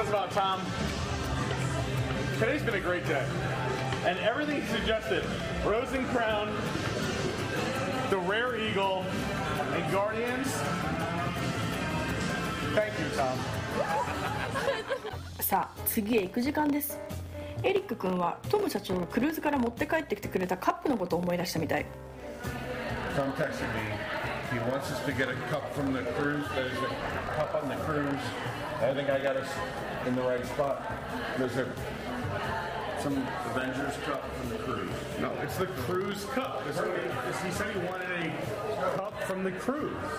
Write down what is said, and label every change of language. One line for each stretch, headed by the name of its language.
English: Tom, today's been a great day, and everything suggested, Rose and Crown, the Rare Eagle, and Guardians, thank you, Tom.
Japanese: さあ、次へ行く時間です。エリック君はトム社長がクルーズから持って帰ってきてくれたカップのことを思い出したみたい。
English: Tom texted me. He wants us to get a cup from the cruise. There's a cup on the cruise. I think I got us... in the right spot. There's some Avengers cup from the cruise. No, it's the cruise cup. He said he wanted a cup from the cruise.